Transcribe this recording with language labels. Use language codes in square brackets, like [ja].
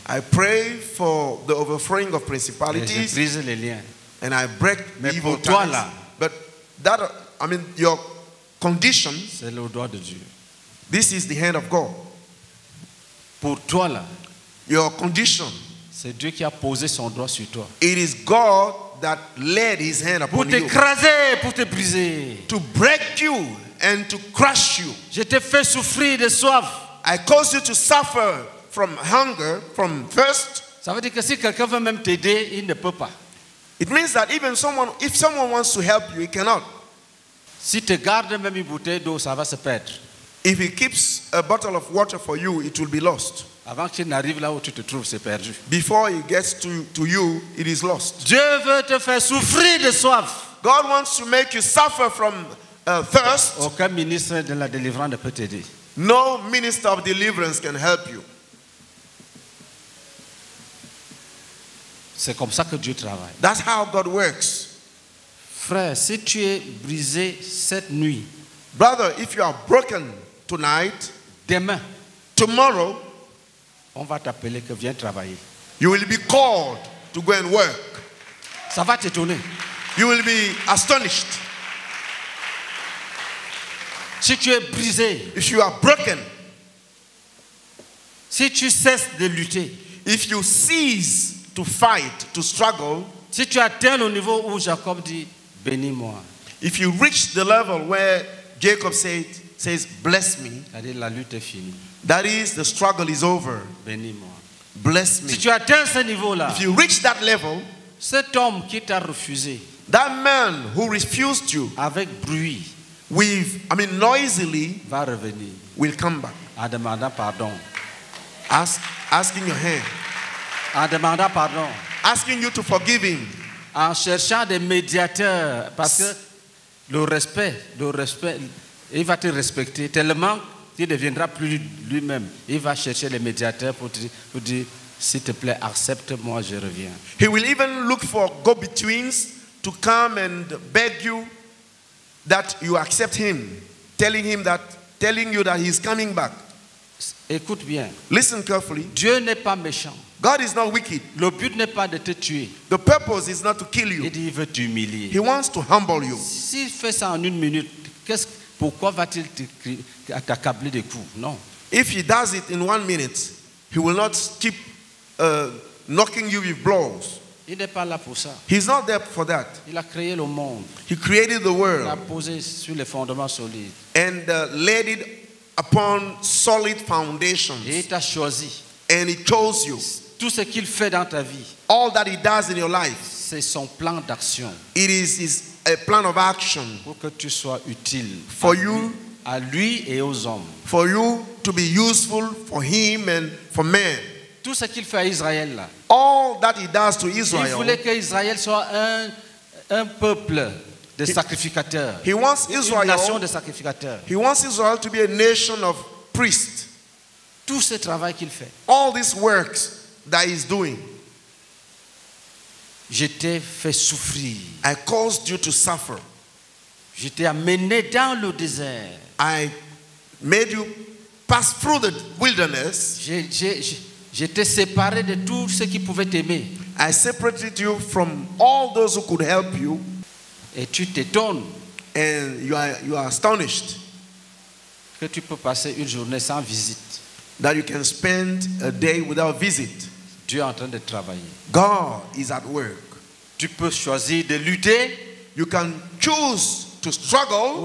[en] I pray for the overthrowing of principalities. [fr] Et je brise les liens. [en] And I break [fr] Mais [en] evil [fr] pour toi, là, [en] ties. But that, I mean, your condition. [fr] C'est le doigt de Dieu. [en] This is the hand of God. [fr] Pour toi, là, [en] your condition. [fr] C'est Dieu qui a posé son doigt sur toi. [en] It is God that laid his hand upon you. [fr] Pour t'écraser, pour te briser. [en] To break you and to crush you. [fr] Je t'ai fait souffrir de soif. [en] I caused you to suffer from hunger, from thirst. [fr] Ça veut dire que si quelqu'un veut même t'aider, il ne peut pas. [en] It means that even someone, if someone wants to help you, he cannot. [fr] Si tu gardes même une bouteille d'eau, ça va se perdre. [en] If he keeps a bottle of water for you, it will be lost. [fr] Avant qu'il n'arrive là où tu te trouves, c'est perdu. [en] Before it gets to you, it is lost. [fr] Dieu veut te faire souffrir de soif. [en] God wants to make you suffer from thirst. [fr] Aucun ministre de la délivrance ne peut t'aider. [en] No minister of deliverance can help you. [fr] C'est comme ça que Dieu travaille. [en] That's how God works. [fr] Frère, si tu es brisé cette nuit. [en] Brother, if you are broken tonight. [fr] Demain. [en] Tomorrow. [fr] On va t'appeler que viens travailler. [en] You will be called to go and work. [fr] Ça va t'étonner. [en] You will be astonished. [fr] Si tu es brisé. [en] If you are broken. [fr] Si tu cesses de lutter. [en] If you cease to fight, to struggle. [fr] Si tu atteins le niveau où Jacob dit, bénis-moi. [en] If you reach the level where Jacob says, bless me. [fr] C'est-à-dire la lutte est finie. [en] That is, the struggle is over. [fr] Bénis-moi. [en] Bless me. [fr] Si tu atteins ce niveau-là, [en] if you reach that level, [fr] cet homme qui t'a refusé, [en] that man who refused you, [fr] avec bruit, [en] noisily, [fr] va revenir, [en] will come back, [fr] en demandant pardon, [en] asking your hand, [fr] en demandant pardon, [en] asking you to forgive him, [fr] en cherchant des médiateurs, parce que le respect, il va te respecter tellement. Il ne deviendra plus lui-même. Il va chercher les médiateurs pour dire, s'il te plaît, accepte-moi, je reviens. [en] He will even look for go-betweens to come and beg you that you accept him, telling you that he's coming back. [fr] Écoute bien. [en] Listen carefully. [fr] Dieu n'est pas méchant. [en] God is not wicked. [fr] Le but n'est pas de te tuer. [en] The purpose is not to kill you. [fr] Il dit, il veut t'humilier. [en] He wants to humble you. [fr] S'il fait ça en une minute, pourquoi va-t-il t'accabler des coups? Non. [en] If he does it in 1 minute, he will not keep knocking you with blows. [fr] Il n'est pas là pour ça. [en] He's not there for that. [fr] Il a créé le monde. [en] He created the world. [fr] Il a posé sur les fondements solides. [en] And laid it upon solid foundations. [fr] Et il t'a choisi. [en] And he chose you. [fr] Tout ce qu'il fait dans ta vie. [en] All that he does in your life. [fr] C'est son plan d'action. [en] It is his a plan of action. [fr] Pour que tu sois utile. [en] For you. [fr] À lui et aux hommes. [en] For you to be useful for him and for men. [fr] tout ce qu'il fait à Israël, [en] all that he does to Israel, [fr] il voulait que Israël soit un peuple de sacrificateurs. [en] He wants Israel, [fr] une nation de sacrificateurs. [en] He wants Israel to be a nation of priests. [fr] Tout ce travail qu'il fait, [en] all these works that he's doing, [fr] je t'ai fait souffrir. [en] I caused you to suffer. [fr] Je t'ai amené dans le désert. [en] I made you pass through the wilderness. [fr] Je t'ai séparé de tous ceux qui pouvaient t'aimer. [en] I separated you from all those who could help you. [fr] Et tu t'étonnes. [en] And you are astonished. [fr] Que tu peux passer une journée sans visite. [en] That you can spend a day without visit. [fr] Dieu est en train de travailler. [en] God is at work. [fr] Tu peux choisir de lutter. [en] You can choose to struggle.